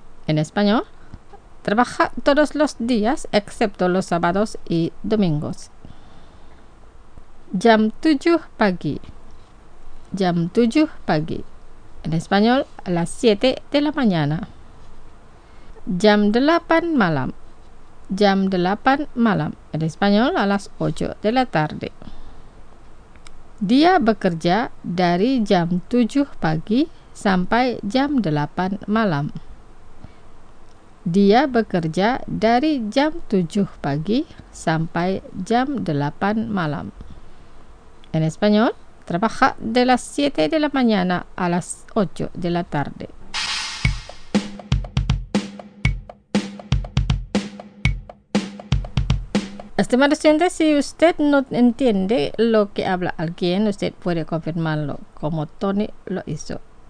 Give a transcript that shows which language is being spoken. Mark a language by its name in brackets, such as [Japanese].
[Spanish] En español, trabaja todos los días excepto los sábados y domingos. [Indonesian] Jam 7 pagi. jam 7 pagi. [Spanish] En español, a las 7 de la mañana. [Indonesian] Jam 8 malam. Jam 8 malam. [Spanish] En español, a las 8 de la tarde. [Indonesian] Dia bekerja dari jam 7 pagi sampai jam 8 malam. Dia bekerja dari jam 7 pagi sampai jam 8 malam. [Spanish] En español, trabaja de las 7 de la mañana a las 8 de la tarde. Estimado oyente, si usted no entiende lo que habla alguien, usted puede confirmarlo como Tony lo hizo.